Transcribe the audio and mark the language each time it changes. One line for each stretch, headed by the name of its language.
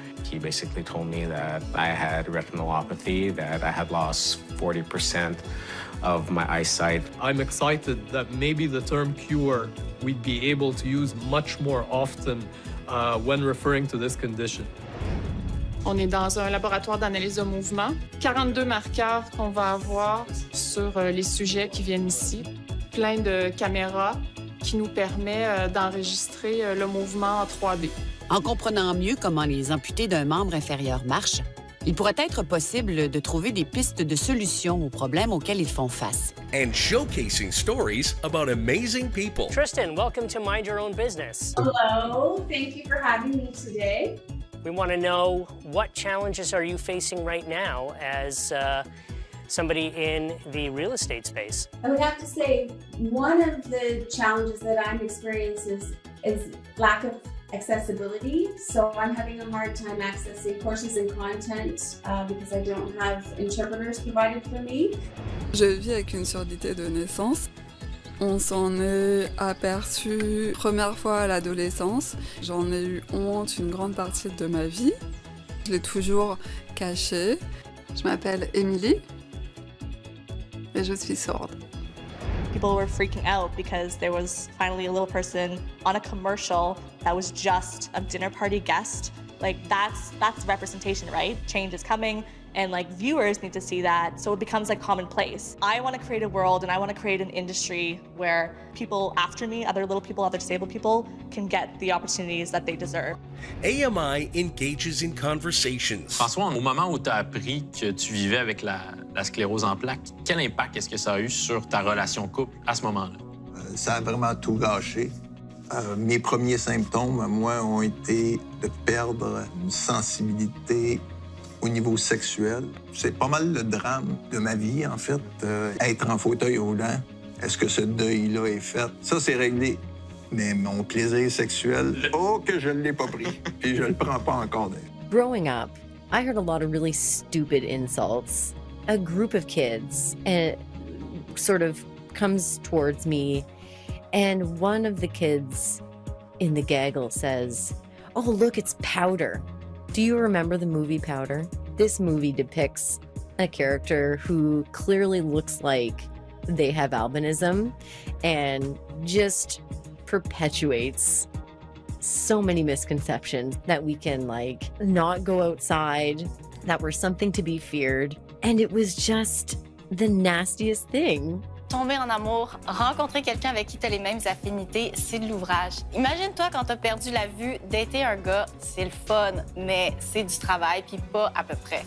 English: He basically told me that I had retinopathy, that I had lost 40% of my eyesight. I'm excited that maybe the term cure we'd be able to use much more often when referring to this condition.
French: On est dans un laboratoire d'analyse de mouvement. 42 marqueurs qu'on va avoir sur les sujets qui viennent ici. Plein de caméras qui nous permet d'enregistrer le mouvement en 3D. En comprenant mieux comment les amputés d'un membre inférieur marchent, il pourrait être possible de trouver des pistes de solutions aux problèmes auxquels ils font face.
English: And showcasing stories about amazing people. Tristan, welcome to Mind Your Own Business. Hello, thank you for having me today. We want to know, what challenges are you facing right now as somebody in the real estate space? I would have to say, one of the challenges that I'm experiencing is lack of accessibility. So I'm having a hard time accessing courses and content because I don't have interpreters provided for me.
French: Je vis avec une surdité de naissance. On s'en est aperçu première fois à l'adolescence. J'en ai eu honte une grande partie de ma vie. Je l'ai toujours caché. Je m'appelle Émilie et je suis sourde.
English: People were freaking out because there was finally a little person on a commercial that was just a dinner party guest. Like that's representation, right? Change is coming. And like viewers need to see that, so it becomes like commonplace. I want to create a world and I want to create an industry where people after me, other little people, other disabled people, can get the opportunities that they deserve. AMI engages in conversations.
French: François, au moment où tu as appris que tu vivais avec la sclérose en plaques, quel impact est-ce que ça a eu sur ta relation couple à ce moment-là? Ça a vraiment tout gâché. Mes premiers symptômes, moi, ont été de perdre une sensibilité au niveau sexuel. C'est pas mal le drame de ma vie, en fait. Être en fauteuil roulant, est-ce que ce deuil-là est fait? Ça, c'est réglé. Mais mon plaisir sexuel, oh, que je ne l'ai pas pris. Puis je ne le prends pas encore.
English: Growing up, I heard a lot of really stupid insults. A group of kids sort of comes towards me, and one of the kids in the gaggle says, oh, look, it's powder. Do you remember the movie Powder? This movie depicts a character who clearly looks like they have albinism and just perpetuates so many misconceptions that we can like not go outside, that we're something to be feared. And it was just the nastiest thing.
French: Tomber en amour, rencontrer quelqu'un avec qui t'as les mêmes affinités, c'est de l'ouvrage. Imagine-toi quand t'as perdu la vue, dater un gars, c'est le fun, mais c'est du travail, puis pas à peu près.